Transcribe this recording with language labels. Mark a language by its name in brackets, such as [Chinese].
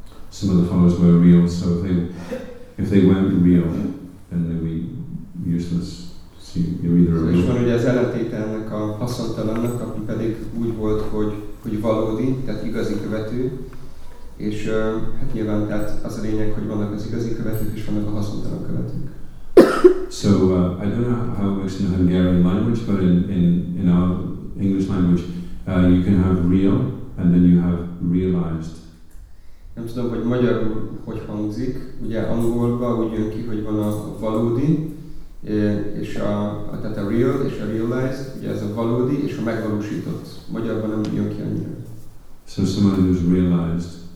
[English] Some of the followers were real, so if they weren't real, then they would be useless. So you're either a real. [Hungarian] És van ugye az ellentételnek a haszontalannak, aki pedig úgy volt, hogy valódi, tehát igazi követő, és hát nyilván tehát az a lényeg, hogy vannak az igazi követők, és vannak a haszontalan követők. [English] So I don't know how it works in Hungarian language, but in our English language, you can have real, and then you have realized. [Hungarian] Nem tudom, hogy magyarul hogy hangzik. Ugye angolba úgy jön ki, hogy van a valódi, és a tehát a real és a realized, ugye ez a valódi és a megvalósított. Magyarban nem jön ki annyira. [English] So someone who's realized.